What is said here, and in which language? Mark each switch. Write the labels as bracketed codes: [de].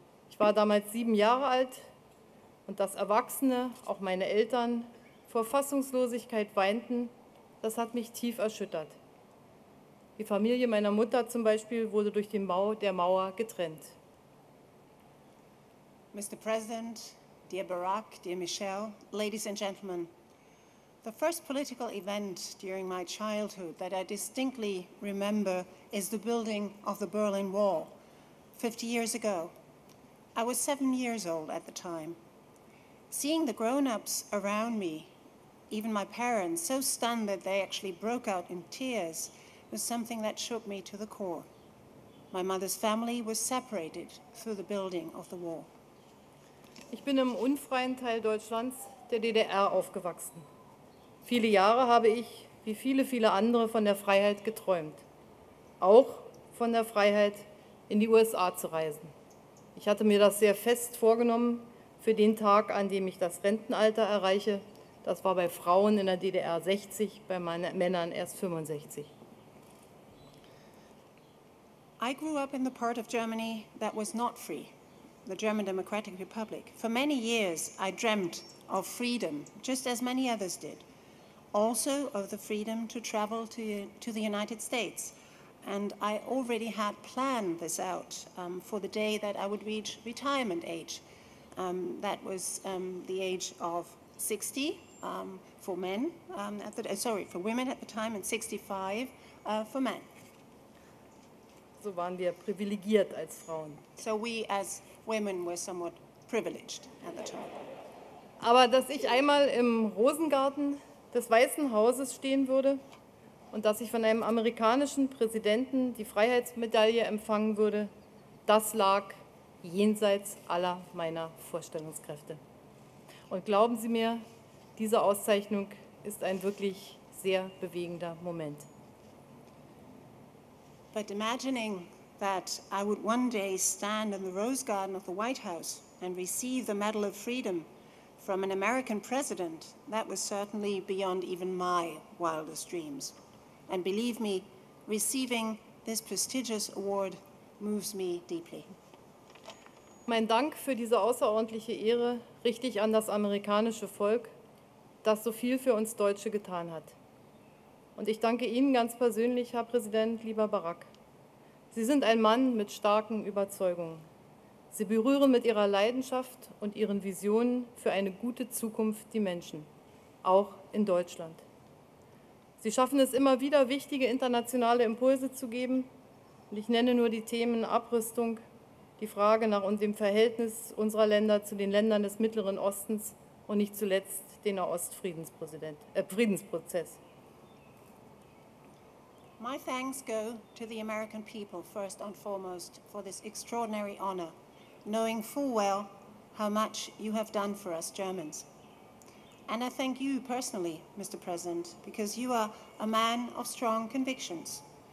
[de] Ich war damals 7 Jahre alt und dass Erwachsene, auch meine Eltern, vor Fassungslosigkeit weinten, das hat mich tief erschüttert. Die Familie meiner Mutter zum Beispiel wurde durch den Bau der Mauer getrennt. [en] Mr. President, dear Barack, dear Michelle, ladies and gentlemen, the first political event during my childhood that I distinctly remember is the building of the Berlin Wall, 50 years ago. I was 7 years old at the time. Seeing the grown-ups around me, even my parents, so stunned that they actually broke out in tears, was something that shook me to the core. My mother's family was separated through the building of the wall. [de] Ich bin im unfreien Teil Deutschlands, der DDR, aufgewachsen. Viele Jahre habe ich, wie viele, viele andere, von der Freiheit geträumt. Auch von der Freiheit, in die USA zu reisen. Ich hatte mir das sehr fest vorgenommen für den Tag, an dem ich das Rentenalter erreiche. Das war bei Frauen in der DDR 60, bei meinen Männern erst 65. [en] I grew up in the part of Germany that was not free, the German Democratic Republic. For many years I dreamt of freedom, just as many others did. Also of the freedom to travel to the United States. And I already had planned this out for the day that I would reach retirement age. That was the age of 60 for men, for women at the time, and 65 for men. [de] So waren wir privilegiert als Frauen. [en] So we as women were somewhat privileged at the time. [de] Aber dass ich einmal im Rosengarten des Weißen Hauses stehen würde und dass ich von einem amerikanischen Präsidenten die Freiheitsmedaille empfangen würde, das lag jenseits aller meiner Vorstellungskräfte. Und glauben Sie mir, diese Auszeichnung ist ein wirklich sehr bewegender Moment. [en] But imagining that I would one day stand in the Rose Garden of the White House and receive the Medal of Freedom from an American president, that was certainly beyond even my wildest dreams. And believe me, receiving this prestigious award moves me deeply. [de] Mein Dank für diese außerordentliche Ehre richte ich an das amerikanische Volk, das so viel für uns Deutsche getan hat. Und ich danke Ihnen ganz persönlich, Herr Präsident, lieber Barack. Sie sind ein Mann mit starken Überzeugungen. Sie berühren mit Ihrer Leidenschaft und Ihren Visionen für eine gute Zukunft die Menschen, auch in Deutschland. Sie schaffen es immer wieder, wichtige internationale Impulse zu geben. Und ich nenne nur die Themen Abrüstung, die Frage nach dem Verhältnis unserer Länder zu den Ländern des Mittleren Ostens und nicht zuletzt den Nahost-Friedensprozess. [en] My thanks go to the American people first and foremost for this extraordinary honor, knowing full well how much you have done for us Germans. And I thank you personally, Mr. President, because you are a man of strong convictions.